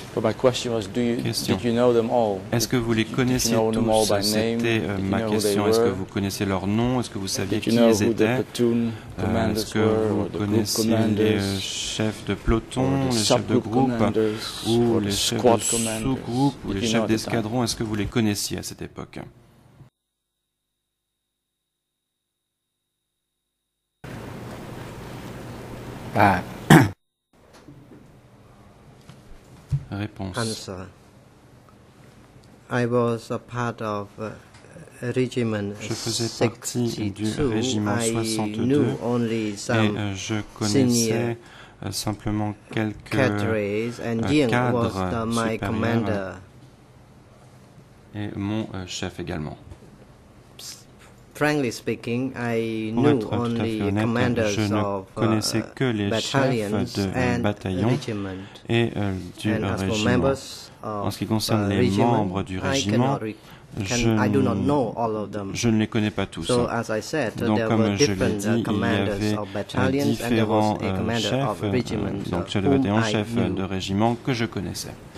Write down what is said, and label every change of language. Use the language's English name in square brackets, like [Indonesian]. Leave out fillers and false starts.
[English] But my question was, did you know them all? [French] Est-ce que vous les connaissiez tous? C'était ma question. Est-ce que vous connaissiez leurs noms? Est-ce que vous saviez qui ils étaient? Est-ce que vous connaissiez les chefs de peloton, les chefs de groupe, ou les chefs de sous-groupe, ou les chefs d'escadron? Est-ce que vous les connaissiez à cette époque? Réponse. [English] Answer. I was a part of regiment 62. [French] Je faisais partie du régiment 62 et je connaissais simplement quelques cadres. [English] And Dieng was my commander. [French] Et mon chef également. [English] Frankly speaking, I knew only commanders of battalions and regiment. [French] Et du régiment. En ce qui concerne les membres du régiment, je ne les connais pas tous. [English] So as I said, [French] donc, comme je l'ai dit, il y avait différents chefs, donc chef de bataillon, chef de régiment que je connaissais.